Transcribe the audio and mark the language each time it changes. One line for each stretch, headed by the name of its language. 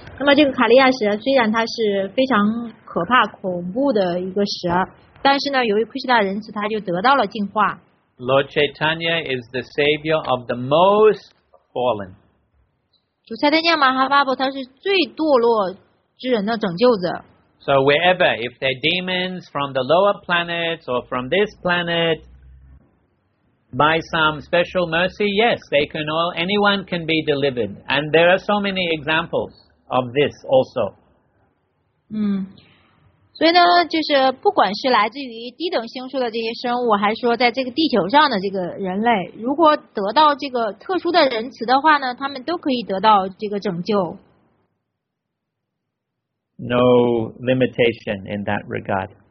Chinese: 那么这个卡利亚蛇虽然它是非常可怕恐怖的一个蛇，但是呢由于 Krishna 的仁慈，它就得到了净化。
English: Lord Chaitanya is the savior of the most fallen.
Chinese: 主赛德尼亚马哈巴布他是最堕落之人的拯救者。
English: So wherever, if they're demons from the lower planets or from this planet, by some special mercy, yes, they can all, anyone can be delivered. And there are so many examples of this also.
Chinese: 所以呢，就是不管是来自于低等星宿的这些生物，还是说在这个地球上的这个人类，如果得到这个特殊的仁慈的话呢，他们都可以得到这个拯救。
English: No limitation in that regard.